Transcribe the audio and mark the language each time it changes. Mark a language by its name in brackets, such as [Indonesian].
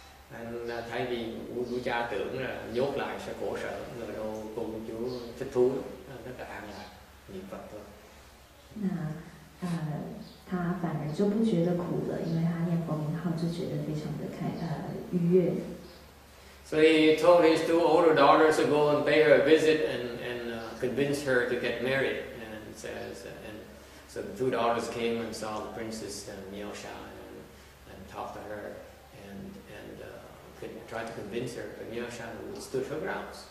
[Vietnamese] And thay vì vui cha tưởng là nhốt lại sẽ khổ sở, người đâu cùng chú thích thú, tất cả an lạc, niệm Phật thôi. [Chinese] 那他反而就不觉得苦了，因为他念佛名号就觉得非常的开愉悦。 [English] So he told his two older daughters to go and pay her a visit and convince her to get married. And says, and so the two daughters came and saw the princess Miaosha and talked to her and tried to convince her, but Miaosha stood her ground.